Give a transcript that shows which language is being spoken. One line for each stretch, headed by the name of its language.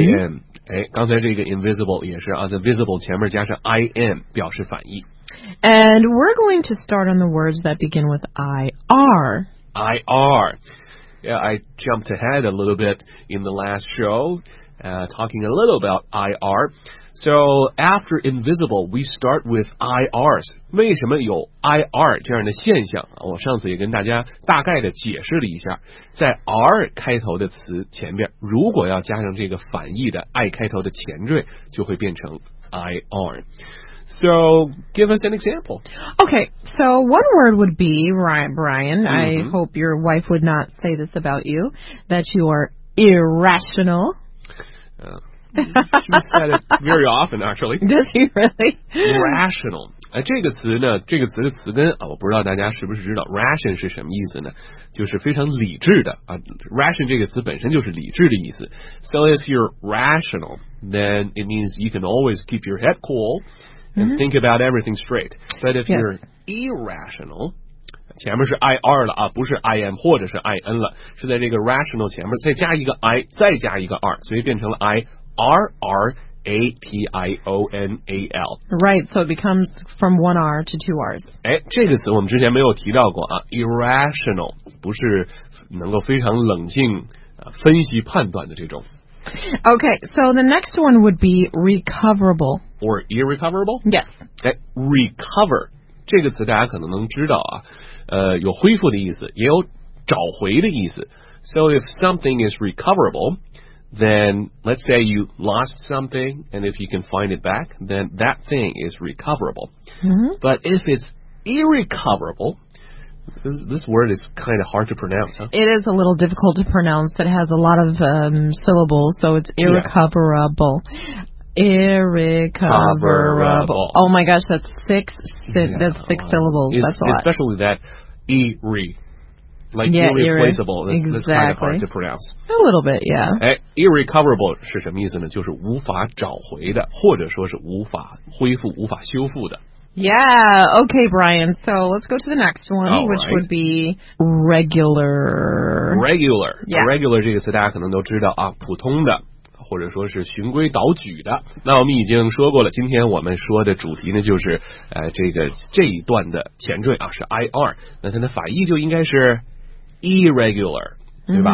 Chinese: in 刚才这个 invisible 也是、啊、the visible 前面加上 in 表示反义
English: and we're going to start on the words that begin with ir yeah I jumped ahead a little bit in the last showtalking a little about IR. So after invisible, we start with IRs.
Chinese: 为什么有 IR 这样的现象？我上次也跟大家大概的解释了一下，在 R 开头的词前面，如果要加上这个反义的 I 开头的前缀，就会变成 IR.
English: So give us an example. Okay, so one word would be, Brian,、mm-hmm. I hope your wife would not say this about you, that you are irrational. She said it very often, actually. Does he really? Rational.
Chinese: 这个词呢，这个词的词根、啊、我不知道大家是不是知道 ration 是什么意思呢？就是非常理智的、啊、ration 这个词本身就是理智的意思。
English: So if you're rational, then it means you can always keep your head cool and、mm-hmm. think about everything straight. But if、yes. you're irrational...
Chinese: 前面是 IR 了啊不是 IM 或者是 IN 了是在这个 rational 前面再加一个 I 再加一个 R 所以变成了 IRRATIONAL
English: Right, so it becomes from one R to two R's
Chinese: 哎这个词我们之前没有提到过啊 Irrational 不是能够非常冷静、啊、分析判断的这种
English: Okay, so the next one would be recoverable. Or irrecoverable? Yes. Okay, recover.
Chinese: 这个词大家可能能知道啊，有恢复的意思，也有找回的意思。
English: So if something is recoverable, then let's say you lost something, and if you can find it back, then that thing is recoverable. Mm-hmm. But if it's irrecoverable, this word is kind of hard to pronounce, huh? It is a little difficult to pronounce. It has a lot of syllables, so it's irrecoverable. Yeah. Irrecoverable. Oh my gosh, that's six syllables. That's a lot. Especially that irre. Like yeah, irreplaceable. Exactly. That's kind of hard to pronounce. A little bit, yeah.
Chinese: Irrecoverable 是什么意思呢？就是无法找回的，或者说是无法恢复、无法修复的。
English: Yeah, okay, Brian. So let's go to the next one, which would be regular. Regular. Yeah.
Chinese: Regular 这个词大家可能都知道啊，普通的。或者说是循规蹈矩的，那我们已经说过了，今天我们说的主题呢就是这一段的前缀啊是 IR， 那它的反义就应该是 irregular， 对吧、